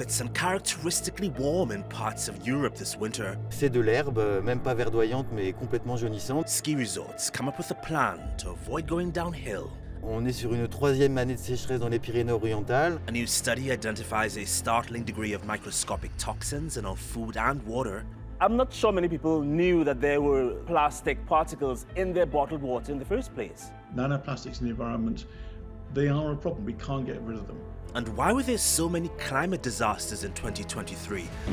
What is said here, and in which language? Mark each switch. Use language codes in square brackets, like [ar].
[en] It's uncharacteristically warm in parts of Europe this winter. [fr] C'est de l'herbe, même pas verdoyante, mais complètement jaunissante. [en] Ski resorts come up with a plan to avoid going downhill. [fr] On est sur une troisième année de sécheresse dans les Pyrénées-Orientales. [en] A new study identifies a startling degree of microscopic toxins in our food and water. I'm not sure many people knew that there were plastic particles in their bottled water in the first place. Nanoplastics in the environment, they are a problem. We can't get rid of them. And why were there so many climate disasters in 2023?